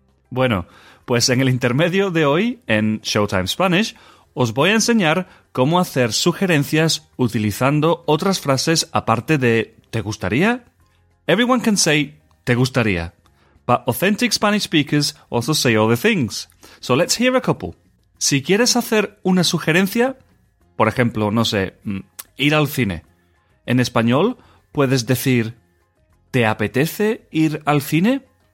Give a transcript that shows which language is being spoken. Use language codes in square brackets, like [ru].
[es] Bueno, pues en el intermedio de hoy, en Showtime Spanish, os voy a enseñar cómo hacer sugerencias utilizando otras frases aparte de ¿te gustaría? [en] Everyone can say [es] ¿te gustaría? [en] But authentic Spanish speakers also say other things. So let's hear a couple. [es] Si quieres hacer una sugerencia, por ejemplo, no sé, ir al cine. En español puedes decir, ¿te apetece ir al cine?